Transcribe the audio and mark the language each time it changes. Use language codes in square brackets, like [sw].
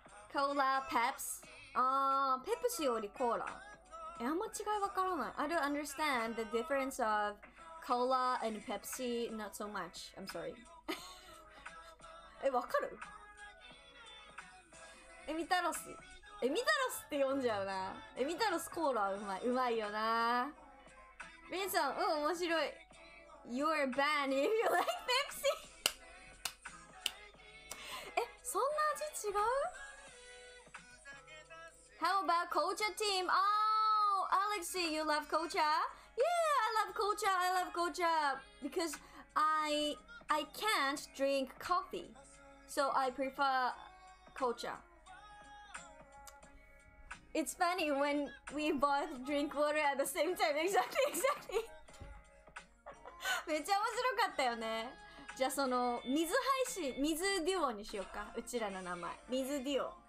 [ja] コーラ、ペプス、あー、ペプシよりコーラ、え、あんま違いわからない。 [en] I don't understand the difference of cola and Pepsi, not so much, I'm sorry. [ja] え、わかる？エミタロス、エミタロスって呼んじゃうな。エミタロスコーラうまい、うまいよな。みんさん、うん、面白い。 [en] You're banned if you like Pepsi. [ja] え、そんな味違う？ [en] How about Kocha team? Oh, Alexi, you love Kocha? Yeah, I love Kocha. I love Kocha because I can't drink coffee. So I prefer Kocha. It's funny when we both drink water at the same time. Exactly. [ja] めっちゃ面白かったよね。じゃあその水配信、水デュオにしようか。うちらの名前、水デュオ。